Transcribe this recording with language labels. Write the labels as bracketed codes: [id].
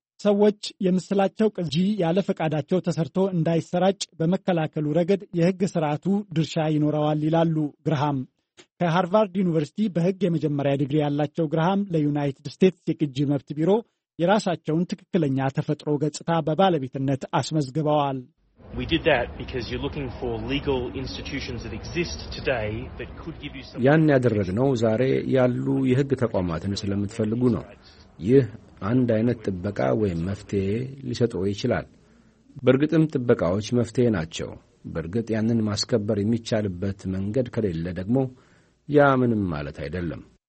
[am] ሰዎች የምስላቸው ቅጂ ያለ ፈቃዳቸው ተሰርቶ እንዳይሰራጭ በመከላከሉ ረገድ የሕግ ስርዓቱ ድርሻ ይኖረዋል ይላሉ ግራሃም። ከሃርቫርድ ዩኒቨርሲቲ በሕግ የመጀመሪያ ዲግሪ ያላቸው ግራሃም ለዩናይትድ ስቴትስ የቅጂ መብት ቢሮ የራሳቸውን ትክክለኛ ተፈጥሮ ገጽታ በባለቤትነት አስመዝግበዋል። [en] We did that because you're looking for legal institutions that exist today that could give you some [am] ያን ያደረግነው ዛሬ ያሉ የህግ ተቋማትን ስለምትፈልጉ ነው። ይህ አንድ አይነት ጥበቃ ወይም መፍትሄ ሊሰጥ ይችላል። በርግጥም ጥበቃዎች መፍትሄ ናቸው። በርግጥ ያንን ማስከበር የሚቻልበት መንገድ ከሌለ ደግሞ ያ ምንም ማለት አይደለም።